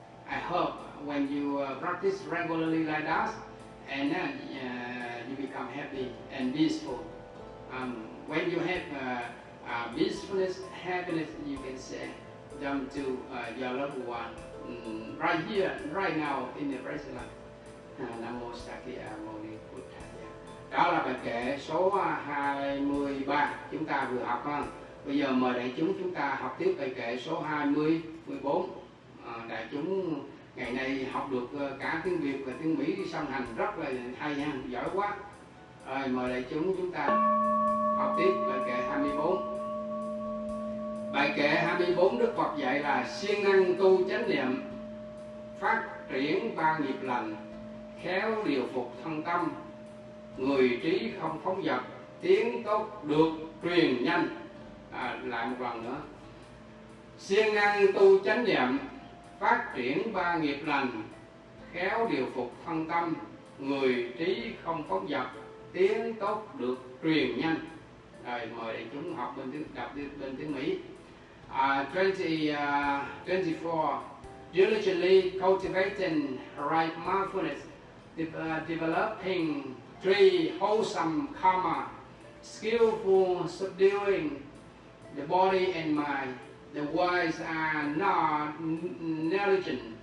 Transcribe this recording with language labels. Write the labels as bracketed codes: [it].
[en] I hope when you practice regularly like that, and then you become happy and peaceful. When you have peacefulness, happiness, you can send them to your loved one right here, right now, in the present life. [pi] Namo Sakya Moni Buddhaya. [vi] Đó là bài kệ số 23 chúng ta vừa học. Bây giờ mời đại chúng chúng ta học tiếp bài kệ số 20-14. Đại chúng ngày nay học được cả tiếng Việt và tiếng Mỹ song hành rất là hay ha, giỏi quá. Rồi mời đại chúng chúng ta học tiếp bài kệ 24. Bài kệ 24 Đức Phật dạy là siêng năng tu chánh niệm, phát triển ba nghiệp lành, khéo điều phục thân tâm, người trí không phóng dật, tiếng tốt được truyền nhanh. Lại một lần nữa, siêng năng tu chánh niệm, phát triển ba nghiệp lành, khéo điều phục thân tâm, người trí không phóng dật, tiếng tốt được truyền nhanh. Rồi mời đại chúng học bên tiếng, đọc bên tiếng Mỹ. 24. [en] Diligently cultivating right mindfulness, developing three wholesome karma, skillful subduing the body and mind. The wise are not negligent.